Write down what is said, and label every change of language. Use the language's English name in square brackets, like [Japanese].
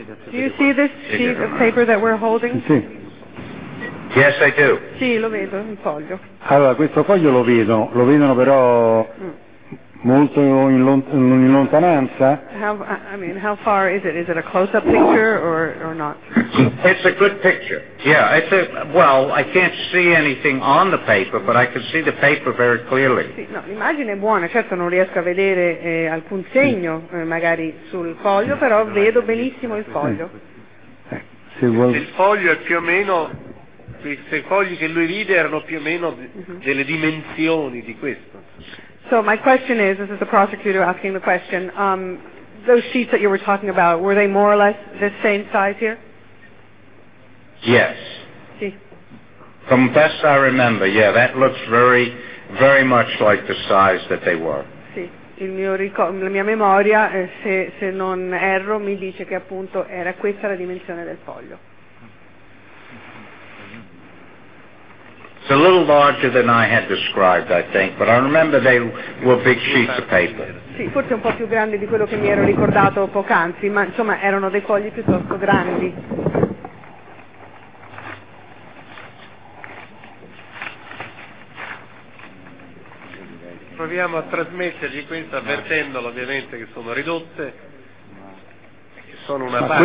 [English] Do you see this sheet of paper that we're holding? [Italian] Sì. [English] Yes, I do. [Italian] Sì, lo vedo, il foglio. Allora, questo foglio lo vedono però molto in lontananza. [English] How far is it? Is it a close-up picture or not? It's a good picture. Yeah, it's a... Well, I can't see anything on the paper, but I can see the paper very clearly. [Italian] Sì, no, l'immagine è buona. Certo, non riesco a vedere alcun segno, magari, sul foglio, però vedo benissimo il foglio. Il foglio è più o meno... Se i fogli che lui vide erano più o meno delle dimensioni di questo. [English] So my question is, this is the prosecutor asking the question, those sheets that you were talking about, were they more or less the same size here? Yes. [Italian] Sí. [English] From best I remember, yeah, that looks very, very much like the size that they were. [Italian] Sí. La mia memoria, se non erro, mi dice che appunto era questa la dimensione del foglio. [English] It's a little larger than I had described, I think, but I remember they were big sheets of paper. [Italian] Sì, forse un po' più grandi di quello che mi ero ricordato poc'anzi, ma insomma erano dei fogli piuttosto grandi. proviamo a trasmettergli questo, avvertendolo ovviamente che sono ridotte, che sono una parte.